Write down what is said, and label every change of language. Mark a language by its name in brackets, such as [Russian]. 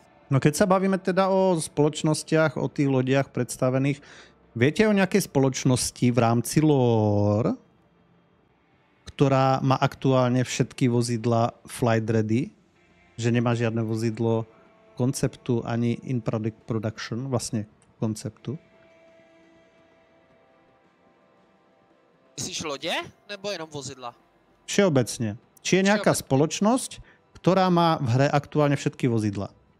[Slovak] No keď sa bavíme teda o spoločnostiach, o tých lodiach predstavených, viete o nejakej spoločnosti v rámci lore, ktorá má aktuálne všetky vozidla flight ready, že nemá žiadne vozidlo konceptu ani in production, vlastne konceptu? [Czech] Myslíš lode, nebo jenom vozidla? [Slovak] Všeobecne. Či je nejaká spoločnosť, ktorá má v hre aktuálne všetky vozidla?